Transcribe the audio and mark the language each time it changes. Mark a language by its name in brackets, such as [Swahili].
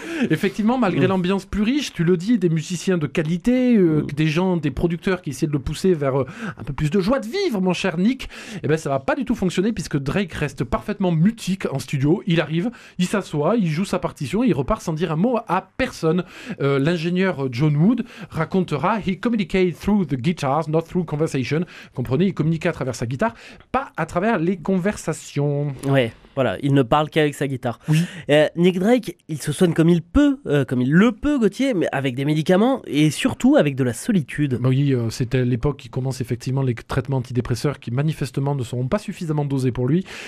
[French] Effectivement, malgré l'ambiance plus riche, tu le dis, des musiciens de qualité, des gens, des producteurs qui essaient de le pousser vers un peu plus de joie de vivre, mon cher Nick, eh ben ça va pas du tout fonctionner puisque Drake reste parfaitement mutique en studio. Il arrive, il s'assoit, il joue sa partition et il repart sans dire un mot à personne. L'ingénieur John Wood racontera, [English] he communicated through the guitars, not through conversation. [French] Comprenez, il communiquait à travers sa guitare, pas à travers les conversations. Ouais, voilà, il ne parle qu'avec sa guitare. Oui. Nick Drake, il se soigne comme il peut, comme il le peut, Gauthier, mais avec des médicaments et surtout avec de la solitude. Bah oui, c'était l'époque qui commence effectivement les traitements antidépresseurs qui manifestement ne seront pas suffisamment dosés pour lui.